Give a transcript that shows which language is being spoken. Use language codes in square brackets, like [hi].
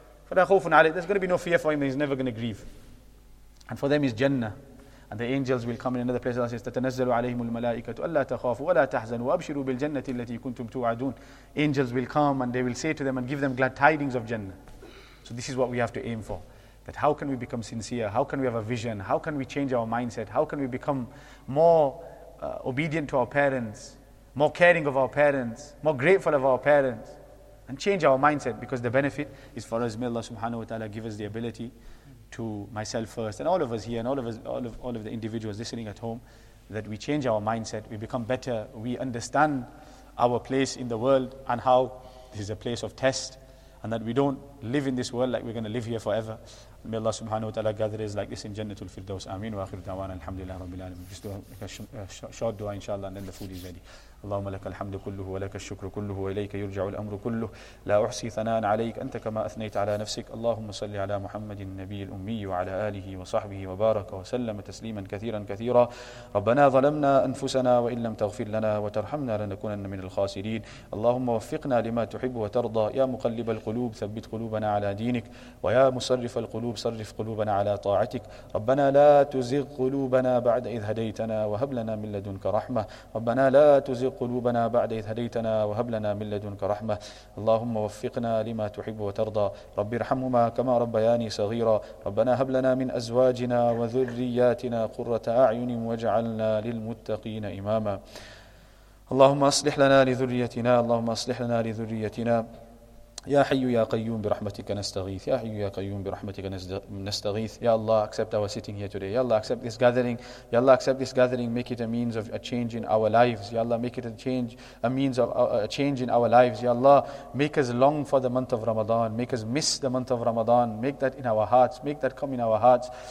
[ar] فَلَا خَوْفٌ عَلَيْهِ, [en] there's going to be no fear for him, he's never going to grieve. And for them is Jannah. And the angels will come in another place. Allah says, [ar] تَتَنَزَّلُ عَلَيْهِمُ الْمَلَائِكَةُ أَلَّا تَخَافُوا وَلَا تَحْزَنُوا وَأَبْشِرُوا بِالْجَنَّةِ الَّتِي كُنْتُمْ تُوَعَدُونَ. [en] Angels will come and they will say to them and give them glad tidings of Jannah. So this is what we have to aim for. That how can we become sincere? How can we have a vision? How can we change our mindset? How can we become more obedient to our parents, more caring of our parents, more grateful of our parents, and change our mindset? Because the benefit is for us. May Allah subhanahu wa ta'ala give us the ability to myself first, and all of us here, and all of the individuals listening at home, that we change our mindset, we become better, we understand our place in the world and how this is a place of test, and that we don't live in this world like we're going to live here forever. May Allah subhanahu wa ta'ala gather us like this in Jannatul Firdaus. Ameen. [ar] Wa akhir da'wana alhamdulillah rabbil alamin. [en] Just do a short dua inshallah, and then the food is ready. [ar] اللهم لك الحمد كله ولك الشكر كله وإليك يرجع الأمر كله لا أحصي ثناء عليك أنت كما أثنيت على نفسك. اللهم صل على محمد النبي الأمي وعلى آله وصحبه وبارك وسلم تسليما كثيرا كثيرا. ربنا ظلمنا أنفسنا وإن لم تغفر لنا وترحمنا لنكونن من الخاسرين. اللهم وفقنا لما تحب وترضى. يا مقلب القلوب ثبت قلوبنا على دينك, ويا مصرف القلوب صرف قلوبنا على طاعتك. ربنا لا تزغ قلوبنا بعد إذ هديتنا وهب لنا من لدنك رحمة. ربنا لا تزغ قلوبنا بعد إذ هديتنا وهب لنا من لدنك رحمة. اللهم وفقنا لما تحب وترضى. رب ارحمهما كما ربياني صغيرا. ربنا هب لنا من أزواجنا وذرياتنا قرة أعين واجعلنا للمتقين إماما. اللهم أصلح لنا لذريتنا, اللهم أصلح لنا لذريتنا. يا حي يا قيوم برحمتك نستغيث, يا حي يا قيوم برحمتك نستغيث. [en] يا الله, accept our sitting here today. Ya Allah, accept this gathering. Ya Allah, accept this gathering, make it a means of a change in our lives. Ya Allah, make it a change in our lives. Ya Allah, make us long for the month of Ramadan, make us miss the month of Ramadan, make that in our hearts, make that come in our hearts.